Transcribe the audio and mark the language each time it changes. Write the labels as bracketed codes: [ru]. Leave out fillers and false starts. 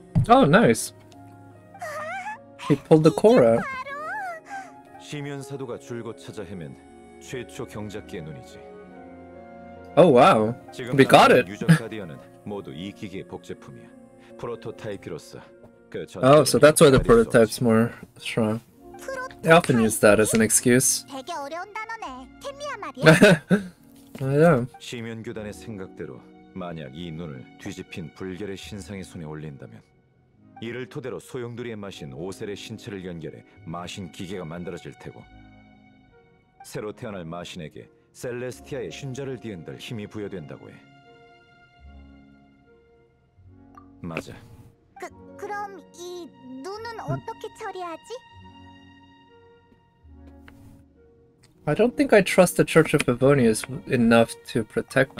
[en] Oh, nice. He pulled the core out. [ko] 시면 사도가 줄곧 찾아 헤맨 최초 경작기의 눈이지. [en] Oh wow. We got it. [ko] 유적 가디언은 모두 이 기계의 복제품이야. 프로토타입이로서. [en] Oh, so that's why the prototype's more strong. They often use that as an excuse. [ko] 되게 어려운 단어네. 케미야 말이야. 아야. 시면 교단의 생각대로 만약 이 눈을 뒤집힌 불결의 신상의 손에 올린다면 이를 토대로 소용돌이의 마신 오셀의 신체를 연결해 마신 기계가 만들어질 테고 새로 태어날 마신에게 셀레스티아의 신자를 뒤흔들 힘이 부여된다고 해. 맞아. 그럼 이 눈은 어떻게 처리하지? [en] I don't think I trust the Church of Favonius enough to protect